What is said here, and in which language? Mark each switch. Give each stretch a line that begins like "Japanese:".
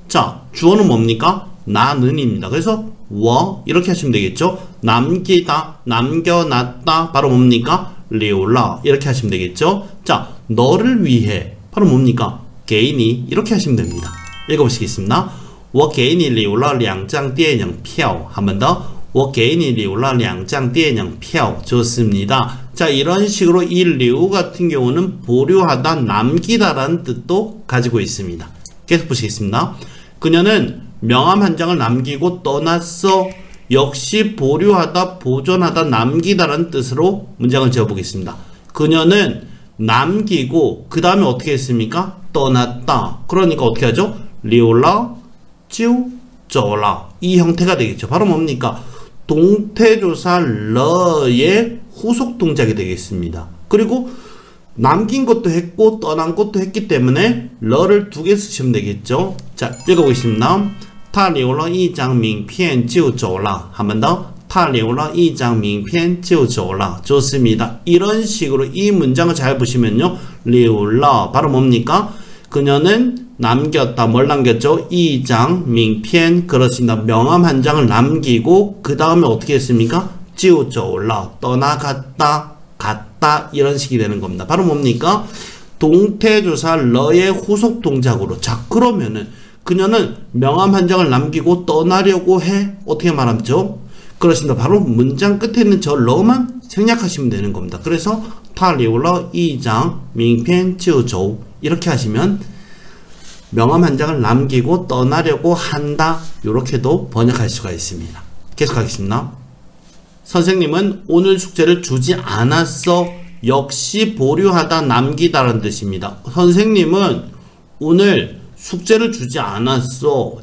Korean: 자, 주어는 뭡니까? 나는입니다. 그래서 워 이렇게 하시면 되겠죠. 남기다, 남겨놨다 바로 뭡니까? 리올라 이렇게 하시면 되겠죠. 자, 너를 위해 바로 뭡니까? 개인이 이렇게 하시면 됩니다. 읽어보시겠습니다.
Chinese: 我给你留了两张电影票.
Korean: 한 번 더.
Chinese: 我给你留了两张电影票.
Korean: 좋습니다. 자, 이런 식으로 이 리우 같은 경우는 보류하다, 남기다 라는 뜻도 가지고 있습니다. 계속 보시겠습니다. 그녀는 명함 한 장을 남기고 떠났어. 역시 보류하다, 보존하다, 남기다라는 뜻으로 문장을 지어보겠습니다. 그녀는 남기고 그 다음에 어떻게 했습니까? 떠났다. 그러니까 어떻게 하죠? 리올라, 쥬, 쩌라 이 형태가 되겠죠. 바로 뭡니까? 동태조사 러의 후속 동작이 되겠습니다. 그리고 남긴 것도 했고 떠난 것도 했기 때문에 러를 두 개 쓰시면 되겠죠. 자, 읽어보겠습니다.
Chinese: 他留了一张名片就走了.
Korean: 한 번 더.
Chinese: 他留了一张名片就走了.
Korean: 좋습니다. 이런 식으로 이 문장을 잘 보시면요,
Chinese: 留了
Korean: 바로 뭡니까? 그녀는 남겼다. 뭘 남겼죠?
Chinese: 一张名片.
Korean: 그렇습니다. 명함 한 장을 남기고 그 다음에 어떻게 했습니까?
Chinese: 就走了.
Korean: 떠나갔다, 갔다 이런 식이 되는 겁니다. 바로 뭡니까? 동태조사 러의 후속 동작으로. 자, 그러면은 그녀는 명함 한 장을 남기고 떠나려고 해. 어떻게 말하죠? 그렇습니다. 바로 문장 끝에 있는 저 러만 생략하시면 되는 겁니다. 그래서
Chinese: 他留了一张名片就走.
Korean: 이렇게 하시면 명함 한 장을 남기고 떠나려고 한다. 이렇게도 번역할 수가 있습니다. 계속하겠습니다. 선생님은 오늘 숙제를 주지 않았어. 역시 보류하다, 남기다라는 뜻입니다. 선생님은 오늘 숙제를 주지 않았어.